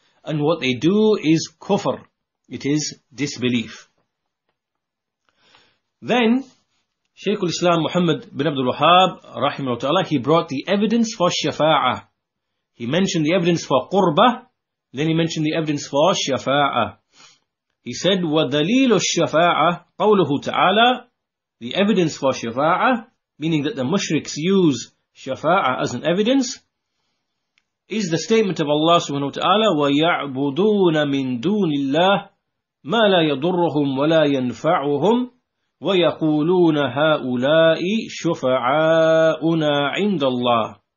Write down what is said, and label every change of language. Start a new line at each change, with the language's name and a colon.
English: And what they do is kufr. It is disbelief. Then, Shaykh al-Islam Muhammad bin Abdul Wahhab, rahimahu ta'ala, he brought the evidence for shafa'ah. He mentioned the evidence for qurba, then he mentioned the evidence for shafa'ah. He said,
Arabic: وَدَلِيلُ الشَّفَاعَةِ قَوْلُهُ تَعَالَى.
English: The evidence for shafa'ah, meaning that the mushriks use shafa'ah as an evidence, is the statement of Allah subhanahu wa ta'ala,
Arabic: وَيَعْبُدُونَ مِن دُونِ اللَّهِ مَا لَا يَضُرُّهُمْ وَلَا يَنْفَعُهُمْ وَيَقُولُونَ هَؤُلَاءِ شُفَعَاؤُنَا عِنْدَ اللَّهِ.